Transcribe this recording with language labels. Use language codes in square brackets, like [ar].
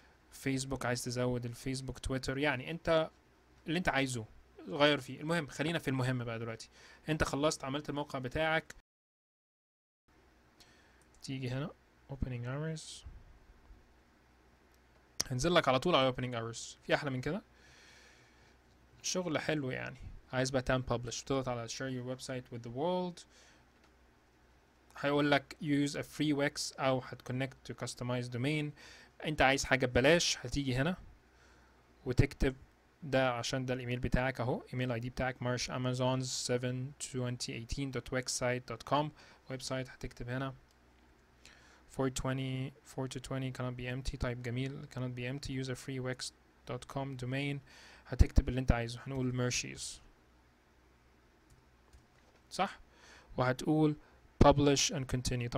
[ar] فيسبوك عايز تزود الفيسبوك، تويتر، يعني انت اللي انت عايزه غير فيه. المهم خلينا في المهم بقى دلوقتي، انت خلصت عملت الموقع بتاعك، تيجي هنا opening hours، هنزل لك على طول على opening hours، في احلى من كده؟ شغل حلو يعني. عايز بقى تعمل publish، بتضغط على [en] share your website with the world، [ar] هيقول لك [en] use a free Wix [ar] او هت [en] connect to customize domain. [ar] انت عايز حاجة ببلاش هتيجي هنا وتكتب ده، عشان ده الايميل بتاعك اهو، ايميل اي دي بتاعك marshamazons7218.wixsite.com website، هتكتب هنا 420 [en] cannot be empty، [ar] طيب جميل، cannot be empty userfreewix.com domain، هتكتب اللي انت عايزه، هنقول merchies صح، وهتقول [en] publish and continue.